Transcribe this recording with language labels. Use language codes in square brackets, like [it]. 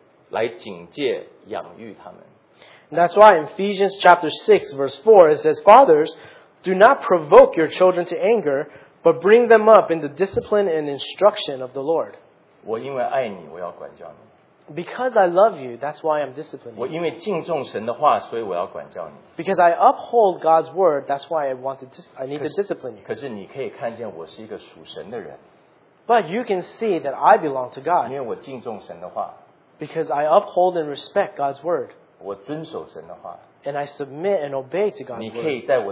[zh] 这也就是为什么在以弗所书6章第4节里面说，你们做父亲的不要惹儿女的气，但是呢，要照着主的教训来警戒养育他们。 [en] That's why in Ephesians chapter 6 verse 4 it says, Fathers, do not provoke your children to anger, but bring them up in the discipline and instruction of the Lord. [zh] 我因为爱你，我要管教你。 [en] Because I love you, that's why I'm disciplining you. [zh] 我因为敬重神的话，所以我要管教你。 [en] Because I uphold God's word, that's why I need to discipline you. [zh] 可是你可以看见我是一个属神的人。 [en] But you can see that I belong to God. [zh] 因为我敬重神的话。 [en] Because I uphold and respect God's word. [zh] 我遵守神的话。 [en] And I submit and obey to God's word.